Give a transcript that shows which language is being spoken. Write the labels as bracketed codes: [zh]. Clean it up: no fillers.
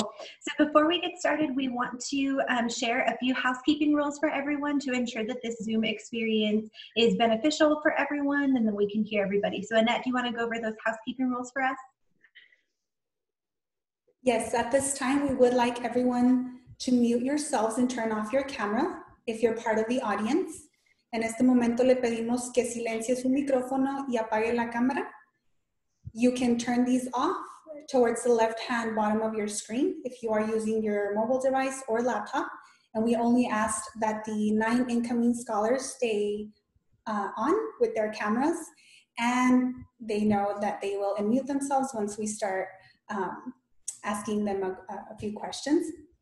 [en] So before we get started, we want to share a few housekeeping rules for everyone to ensure that this Zoom experience is beneficial for everyone, and then we can hear everybody. So Annette, do you want to go over those housekeeping rules for us? Yes, at this time, we would like everyone to mute yourselves and turn off your camera if you're part of the audience. [es] En este momento le pedimos que silencie su micrófono y apague la cámara. [en] You can turn these off towards the left-hand bottom of your screen if you are using your mobile device or laptop. And we only ask that the 9 incoming scholars stay on with their cameras, and they know that they will unmute themselves once we start asking them a few questions.